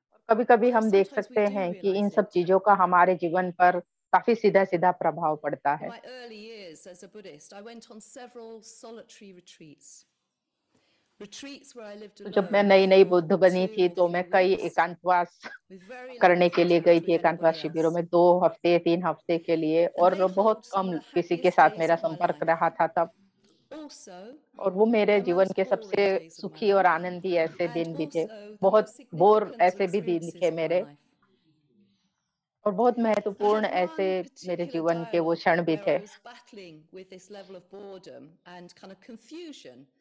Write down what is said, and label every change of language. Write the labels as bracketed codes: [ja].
[hi] कभी कभी हम देख सकते हैं कि इन सब चीजों का हमारे जीवन पर काफी सीधा सीधा प्रभाव पड़ता है. [en] My early years as a Buddhist, I went on several solitary retreats. [hi] जब मैं नई नई बुद्ध बनी थी तो मैं कई एकांतवास करने के लिए गई थी, एकांतवास शिविरों में 2 हफ्ते 3 हफ्ते के लिए, और बहुत कम किसी के साथ मेरा संपर्क रहा था तब, और वो मेरे जीवन के सबसे सुखी और आनंदी ऐसे दिन भी थे, बहुत बोर ऐसे भी दिन थे मेरे, और बहुत महत्वपूर्ण ऐसे मेरे जीवन के वो क्षण भी थे.